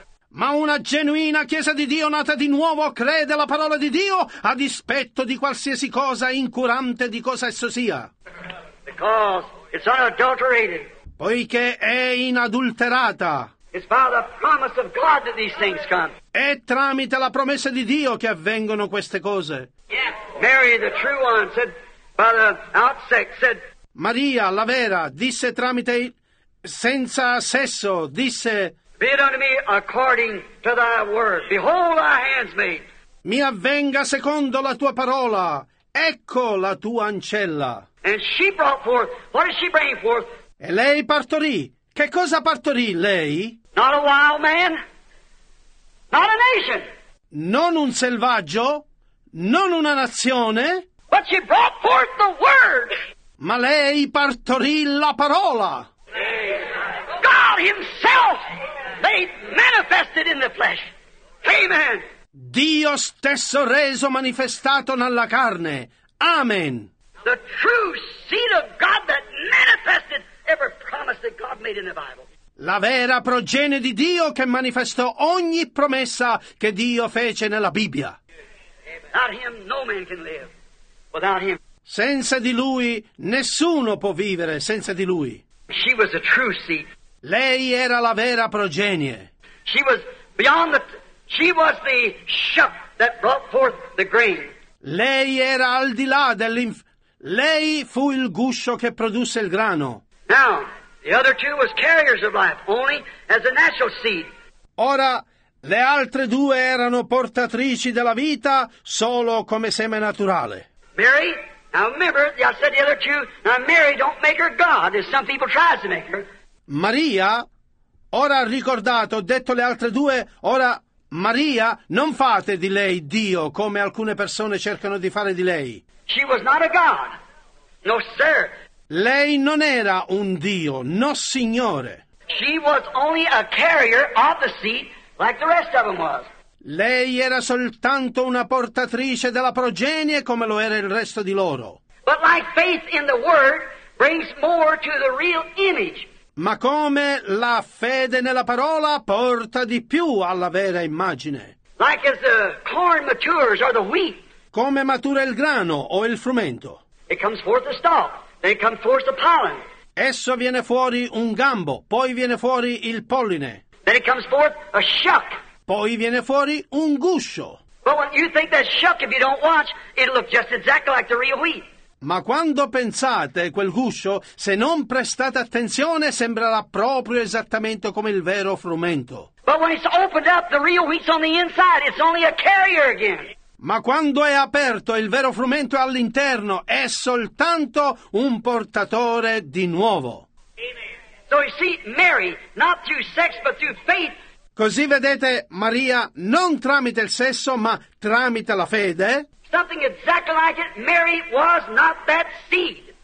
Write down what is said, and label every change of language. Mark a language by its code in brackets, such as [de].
[it] Ma una genuina chiesa di Dio nata di nuovo crede la parola di Dio a dispetto di qualsiasi cosa incurante di cosa esso sia. [en] Because it's unadulterated. [it] Poiché è inadulterata. [en] It's by the promise of God that these things come. [it] È tramite la promessa di Dio che avvengono queste cose. [en] Mary, the true one, said by the outset, said. [it] Maria, la vera, disse tramite senza sesso, disse. [en] Be it unto me according to thy word. Behold, thy handmaid. [it] Mi avvenga secondo la tua parola. Ecco la tua ancella. [en] And she brought forth. What did she bring forth? [it] E lei partorì. Che cosa partorì lei? [en] Not a wild man. Not a nation. [it] Non un selvaggio. Non una nazione. [en] But she brought forth the word. [it] Ma lei partorì la parola. [en] God himself made manifested in the flesh. Amen. [it] Dio stesso reso manifestato nella carne. Amen. [en] The true seed of God that manifested every promise that God made in the Bible. [it] La vera progenie di Dio che manifestò ogni promessa che Dio fece nella Bibbia. [en] Without him, no man can live. Without him. [it] Senza di lui, nessuno può vivere senza di lui. [en] She was a true seed. [it] Lei era la vera progenie. [en] She was beyond the. She was the sheaf that brought forth the grain. [it] Lei era al di là dell'inf. Lei fu il guscio che produsse il grano. [en] Now, the other two was carriers of life, only as a natural seed. [it] Ora. Le altre due erano portatrici della vita solo come seme naturale. [en] Mary, now remember, I said the other two. Now Mary, don't make her God, as some people try to make her. [it] Maria, ora ricordate, ho detto le altre due, ora Maria, non fate di lei Dio come alcune persone cercano di fare di lei. [en] She was not a God, no sir. [it] Lei non era un Dio, no signore. [en] She was only a carrier of the seed. Like the rest of them was. [it] Lei era soltanto una portatrice della progenie come lo era il resto di loro. [en] But like faith in the word brings more to the real image. [it] Ma come la fede nella parola porta di più alla vera immagine. [en] Like as the corn matures or the wheat. [it] Come matura il grano o il frumento. [en] It comes forth the stalk, then it comes forth the pollen. [it] Esso viene fuori un gambo, poi viene fuori il polline. [en] Then it comes forth a shuck. [it] Poi viene fuori un guscio. [en] But when you think that shuck, if you don't watch, it'll look just exactly like the real wheat. [it] Ma quando pensate quel guscio, se non prestate attenzione, sembrerà proprio esattamente come il vero frumento. [en] But when it's opened up, the real wheat's on the inside. It's only a carrier again. [it] Ma quando è aperto, il vero frumento è all'interno. È soltanto un portatore di nuovo. [en] So you see, Mary, not through sex, but through faith. [it] Così vedete, Maria, non tramite il sesso, ma tramite la fede. [en] Something exactly like it, Mary was not that seed.